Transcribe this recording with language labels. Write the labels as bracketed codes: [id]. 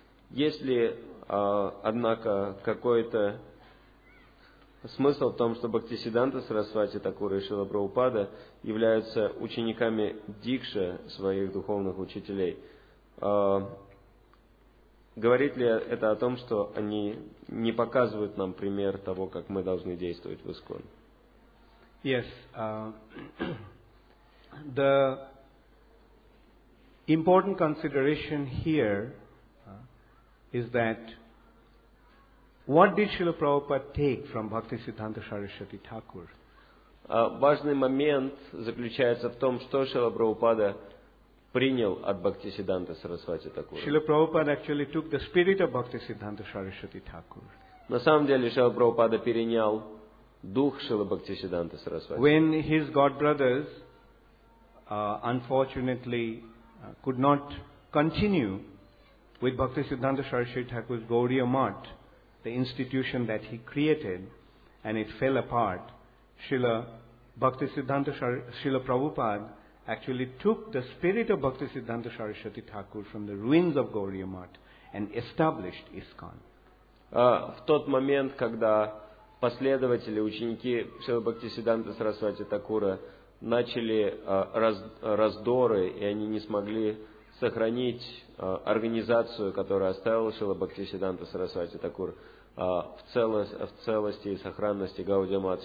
[ru] Есть ли, однако, какой-то смысл в том, что Бхактисиддханта Сарасвати Такура и Шрила Прабхупада являются учениками дикша своих духовных учителей? Говорит ли это о том, что они не показывают нам пример того, как мы должны действовать в ИСКОН? [en] Yes, the important consideration here is that what did Srila Prabhupada take from Bhaktisiddhanta Saraswati Thakur? [ru] Важный момент заключается в том, что Шрила Прабхупада принял от Бхактисиддханта Сарасвати Такур. [en] Srila Prabhupada actually took the spirit of Bhaktisiddhanta Saraswati Thakur. [ru] На самом деле Шрила Прабхупада перенял дух Шрила Бхактисиддханта Сарасвати. [en] When his godbrothers unfortunately could not continue with Bhaktisiddhanta Saraswati Thakur's Gauriya Math, the institution that he created, and it fell apart, Srila Prabhupada actually took the spirit of Bhaktisiddhanta Saraswati Thakur from the ruins of Gauriya Math and established ISKCON. [ru] В тот момент, когда последователи, ученики Шрила Бхактисиддханта Сарасвати Такура начали раздоры, и они не смогли сохранить организацию, которую оставил Шрила Бхактисиддханта Сарасвати Такур в целости и сохранности Гаудия Мат.